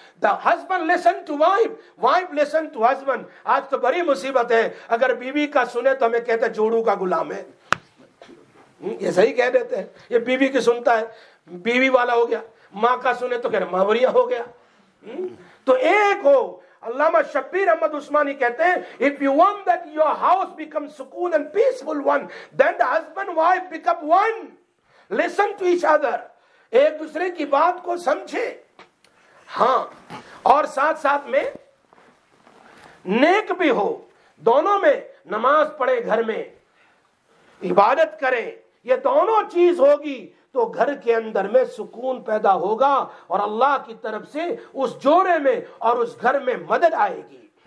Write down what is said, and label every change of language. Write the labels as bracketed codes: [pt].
[en] The husband listen to wife, wife listen to husband. [ur] آج تو بڑی مصیبت ہے, اگر بیوی کا سنے تو ہمیں کہتے جوڑو کا غلام ہے, یہ صحیح کہہ دیتے ہیں, یہ بیوی کی سنتا ہے, بیوی والا ہو گیا. ماں کا سنے تو کہہ رہے ماوریا ہو گیا. تو ایک ہو. علامہ شبیر احمد عثمانی کہتے ہیں [en] if you want that your house becomes سکون and peaceful one, then the husband wife become one. Listen to each other. [ur] ایک دوسرے کی بات کو سمجھے. ہاں, اور ساتھ ساتھ میں نیک بھی ہو, دونوں میں نماز پڑھے, گھر میں عبادت کرے, یہ دونوں چیز ہوگی تو گھر کے اندر میں سکون پیدا ہوگا اور اللہ کی طرف سے اس جوڑے میں اور اس گھر میں مدد آئے گی.